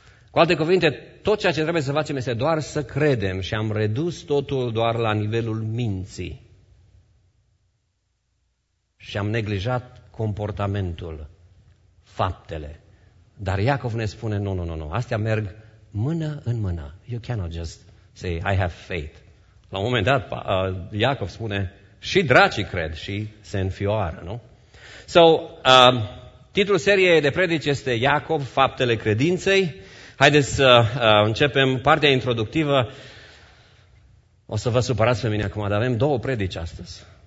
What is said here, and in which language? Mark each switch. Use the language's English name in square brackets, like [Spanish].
[Romanian] Cu alte cuvinte, tot ceea ce trebuie să facem este doar să credem și am redus totul doar la nivelul minții. Și am neglijat comportamentul, faptele. Dar Iacov ne spune: nu, astea merg mână în mână. [English] You cannot just say, I have faith. [Romanian] La un moment dat, Iacov spune, și dracii cred și se înfioară, nu? So, titlul seriei de predici este Iacov, faptele credinței. Haideți să începem partea introductivă. O să vă supărați pe mine acum, dar avem două predici astăzi.